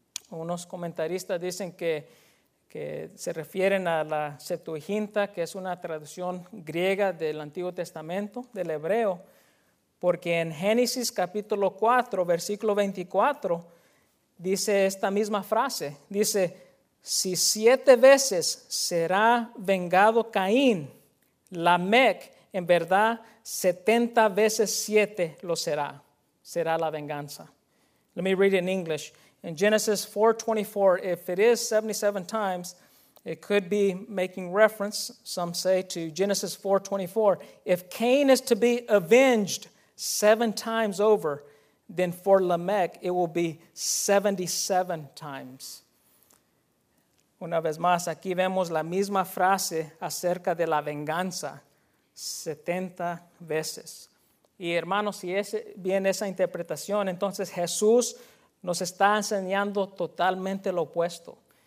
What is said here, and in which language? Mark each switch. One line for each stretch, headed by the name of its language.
Spanish: Unos comentaristas dicen que se refieren a la Septuaginta, que es una traducción griega del Antiguo Testamento, del hebreo, porque en Génesis capítulo 4, versículo 24, dice esta misma frase, dice, si 7 veces será vengado Caín, Lamec, en verdad 70 veces 7 lo será, será la venganza.
English: Let me read it in English. In Genesis 4:24, if it is 77 times, it could be making reference, some say, to Genesis 4:24. If Cain is to be avenged 7 times over, then for Lamech it will be 77 times.
Spanish: Una vez más, aquí vemos la misma frase acerca de la venganza, 70 veces. Y hermanos, si es bien esa interpretación, entonces Jesús nos está enseñando totalmente lo opuesto.